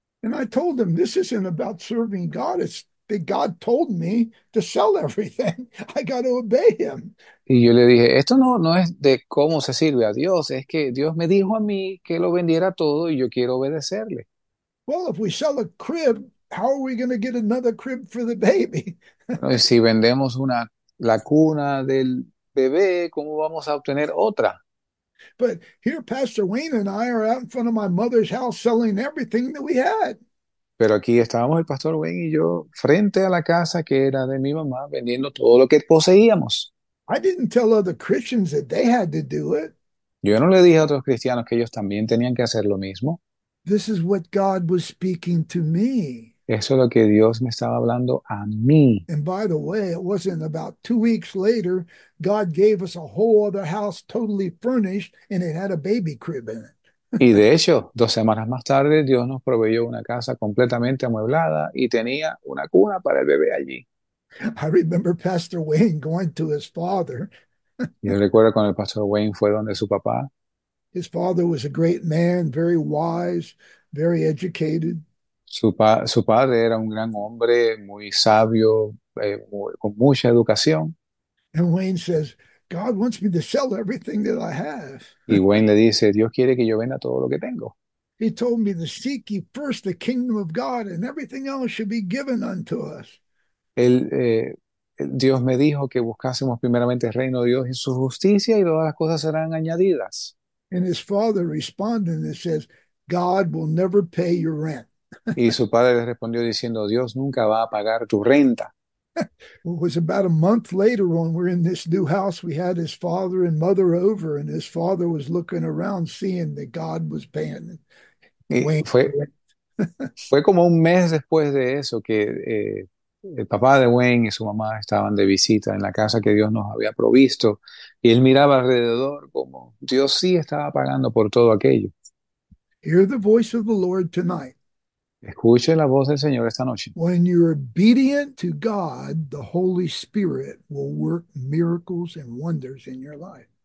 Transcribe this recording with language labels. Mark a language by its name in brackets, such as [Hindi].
[English] And I told them, this isn't about serving God. It's that God told me to sell everything. I got to obey him. [Spanish] Y yo le dije, esto no es de cómo se sirve a Dios, es que Dios me dijo a mí que lo vendiera todo y yo quiero obedecerle. [English] Well, if we sell a crib, how are we going to get another crib for the baby? [Spanish] Bueno, y si vendemos la cuna del bebé, ¿cómo vamos a obtener otra? [English] But here, Pastor Wayne and I are out in front of my mother's house selling everything that we had. [Spanish] Pero aquí estábamos el pastor Wayne y yo frente a la casa que era de mi mamá vendiendo todo lo que poseíamos. [English] I didn't tell other Christians that they had to do it. [Spanish] Yo no le dije a otros cristianos que ellos también tenían que hacer lo mismo. [English] This is what God was speaking to me. [Spanish] Eso es lo que Dios me estaba hablando a mí. [English] And by the way, it wasn't about 2 weeks later, God gave us a whole other house totally furnished and it had a baby crib in [Spanish] Y [English] it. [Spanish] de hecho, 2 semanas más tarde, Dios nos proveyó una casa completamente amueblada y tenía una cuna para el bebé allí. [English] I remember Pastor Wayne going to his father. [Spanish] Yo recuerdo cuando el pastor Wayne fue donde su papá. [English] His father was a great man, very wise, very educated. [Spanish] Su padre era un gran hombre, muy sabio, con mucha educación. [English] And Wayne says, God wants me to sell everything that I [Spanish] Y [English] have. [Spanish] Wayne le dice, Dios quiere que yo venda todo lo que tengo. [English] He told me to seek ye first the kingdom of God, and everything else should be given unto us. [Spanish] Dios me dijo que buscásemos primeramente el reino de Dios y su justicia y todas las cosas serán añadidas. [English] And his father responded and says, God will never pay your rent. [Spanish] Y su padre le respondió diciendo, Dios nunca va a pagar tu renta. [English] was about a month later when we're in this new house. We had his father and mother over, and his father was looking around, seeing that God was paying. [Spanish] Y Wayne. fue como un mes después de eso que el papá de Wayne y su mamá estaban de visita en la casa que Dios nos había provisto, y él miraba alrededor como Dios sí estaba pagando por todo aquello. [English] Hear the voice of the Lord tonight. [Spanish] Escuche la voz del Señor esta noche. [English] When you're obedient to God, the Holy Spirit will work miracles and wonders in your life.